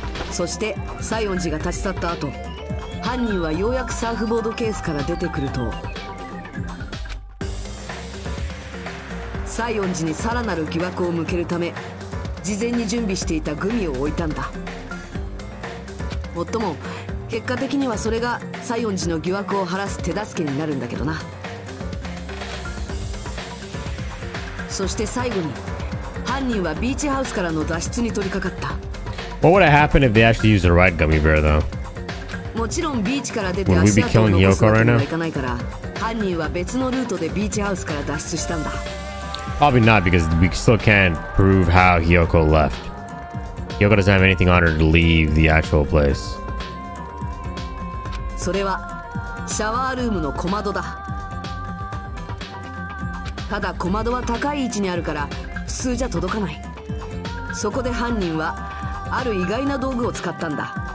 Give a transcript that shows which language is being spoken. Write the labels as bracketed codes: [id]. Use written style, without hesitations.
[ja] そして西園寺が立ち去った後、犯人はようやくサーフボードケースから出てくると、西園寺にさらなる疑惑を向けるため事前に準備していたグミを置いたんだ。もっとも結果的にはそれが西園寺の疑惑を晴らす手助けになるんだけどな。そして最後に犯人はビーチハウスからの脱出に取り掛かった。 [en] What would have happened if they actually used the right gummy bear, though? [ja] もちろんビーチから出て足跡を残すわけにはいかないから、犯人は別のルートでビーチハウスから脱出したんだ。 [en] Probably not, because we still can't prove how Hyoko left. Hyoko doesn't have anything on her to leave the actual place. [ja] それはシャワールームの小窓だ。ただ小窓は高い位置にあるから普通じゃ届かない。そこで犯人はある意外な道具を使ったんだ。